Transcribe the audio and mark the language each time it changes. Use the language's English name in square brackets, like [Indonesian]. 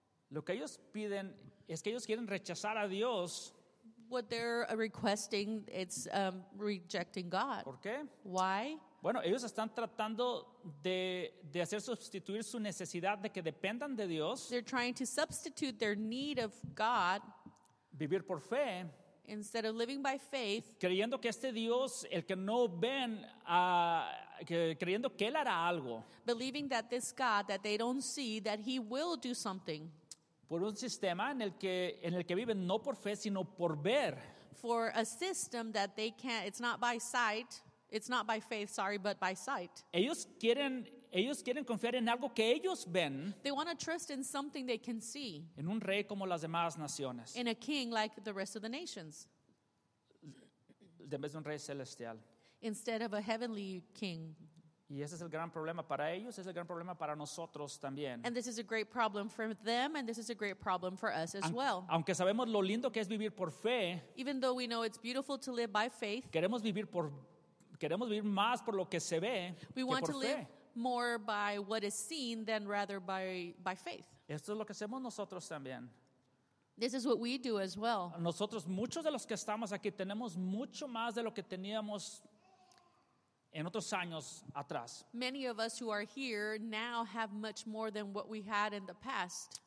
[Spanish] Lo que ellos piden es que ellos quieren rechazar a Dios. [English] What they're requesting, it's rejecting God. [Spanish] ¿Por qué? [English] Why? [Spanish] Bueno, ellos están tratando de hacer sustituir su necesidad de que dependan de Dios. [English] They're trying to substitute their need of God. [Spanish] Vivir por fe. [English] Instead of living by faith, [Spanish] creyendo que este Dios, el que no ven, creyendo que él hará algo, [English] believing that this God that they don't see, that he will do something, [Spanish] por un sistema en el que viven no por fe sino por ver, [English] for a system that they can't, it's not by faith, but by sight. [Spanish] Ellos quieren confiar en algo que ellos ven. [English] They want to trust in something they can see. [Spanish] En un rey como las demás naciones. [English] In a king like the rest of the nations. [Spanish] En vez de un rey celestial. [English] Instead of a heavenly king. [Spanish] Y ese es el gran problema para ellos, es el gran problema para nosotros también. [English] And this is a great problem for them, and this is a great problem for us as well. [Spanish] Aunque sabemos lo lindo que es vivir por fe. [English] Even though we know it's beautiful to live by faith. [Spanish] Queremos vivir más por lo que se ve que por fe. [English] Live more by what is seen than rather by faith. [Spanish] Esto es lo que hacemos nosotros también. [English] This is what we do as well. [Spanish] Nosotros, muchos de los que estamos aquí, tenemos mucho más de lo que teníamos en otros años atrás. [English] Many of us who are here now have much more than what we had in the past.